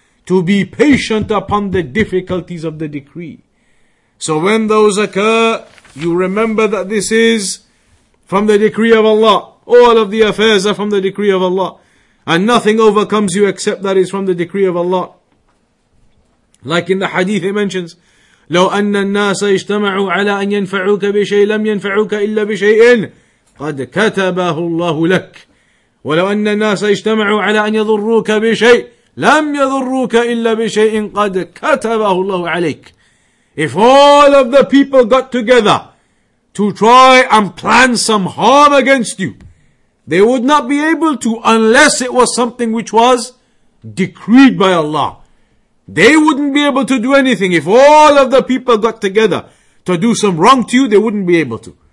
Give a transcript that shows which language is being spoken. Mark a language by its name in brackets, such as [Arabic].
[English] To be patient upon the difficulties of the decree. So when those occur, you remember that this is from the decree of Allah. All of the affairs are from the decree of Allah. And nothing overcomes you except that is from the decree of Allah. Like in the hadith it mentions, [Arabic] لو أن الناس اجتمعوا على أن ينفعوك بشيء لم ينفعوك إلا بشيء قد كتبه الله لك ولو أن الناس اجتمعوا على أن يضروك بشيء لم يضروك إلا بشيء قد كتبه الله عليك. [English] If all of the people got together to try and plan some harm against you, they would not be able to unless it was something which was decreed by Allah. They wouldn't be able to do anything. If all of the people got together to do some wrong to you, they wouldn't be able to.